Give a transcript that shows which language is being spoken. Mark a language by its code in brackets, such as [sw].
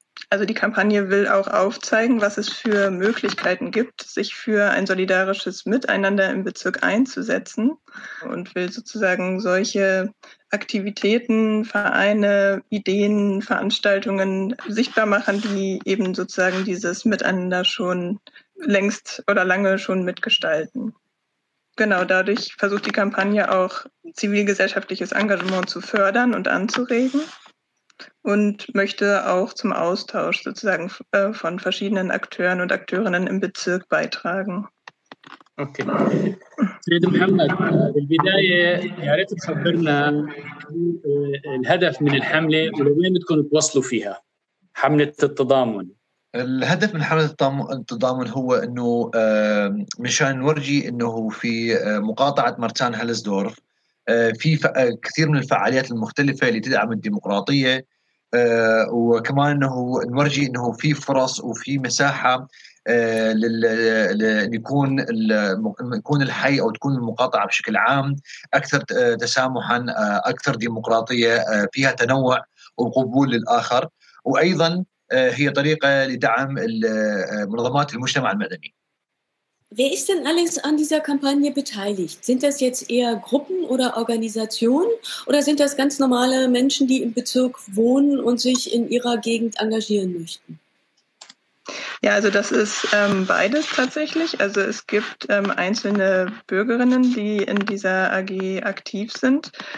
[de] Also die Kampagne will auch aufzeigen, was es für Möglichkeiten gibt, sich für ein solidarisches Miteinander im Bezirk einzusetzen und will sozusagen solche Aktivitäten, Vereine, Ideen, Veranstaltungen sichtbar machen, die eben sozusagen dieses Miteinander schon längst oder lange schon mitgestalten. Genau, dadurch versucht die Kampagne auch, zivilgesellschaftliches Engagement zu fördern und anzuregen. Und möchte auch zum Austausch sozusagen von verschiedenen Akteuren und Akteurinnen im Bezirk beitragen. Okay. [ar] سيد محمد في البداية يا ريت تخبرنا الهدف من الحملة ولوين تكون توصلوا فيها حملة التضامن. الهدف من حملة التضامن هو إنه مشان نورجي إنه في مقاطعة مرتان هلسدورف في كثير من الفعاليات المختلفة اللي تدعم الديمقراطية. وكمان انه نورجي انه في فرص وفي مساحه ليكون يكون الحي او تكون المقاطعه بشكل عام اكثر تسامحا اكثر ديمقراطيه فيها تنوع وقبول للاخر وايضا هي طريقه لدعم منظمات المجتمع المدني. [de] Wer ist denn alles an dieser Kampagne beteiligt? Sind das jetzt eher Gruppen oder Organisationen oder sind das ganz normale Menschen, die im Bezirk wohnen und sich in ihrer Gegend engagieren möchten? Ja, also das ist beides tatsächlich. Also es gibt einzelne Bürgerinnen, die in dieser AG aktiv sind.